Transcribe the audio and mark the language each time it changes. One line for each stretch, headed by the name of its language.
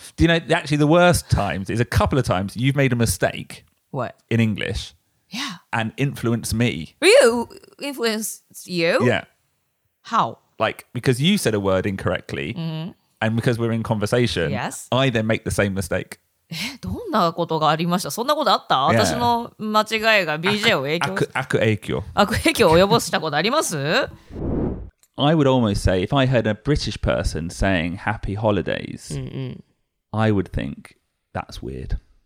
English: Do you know, actually the worst times is a couple of times you've made a mistake. What? In English. Yeah. And influenced me. You influenced you? Yeah. How? Like, because you said a word incorrectly. And because we're in conversation. Yes. I then make the same mistake.
Japanese: どんなことがありました？そんなことあった？ Yeah. 私の間違いが BJ を影響する。悪影響。悪影響を及ぼしたことあります？
English: I would almost say, if I heard a British person saying happy holidays, I would think that's weird.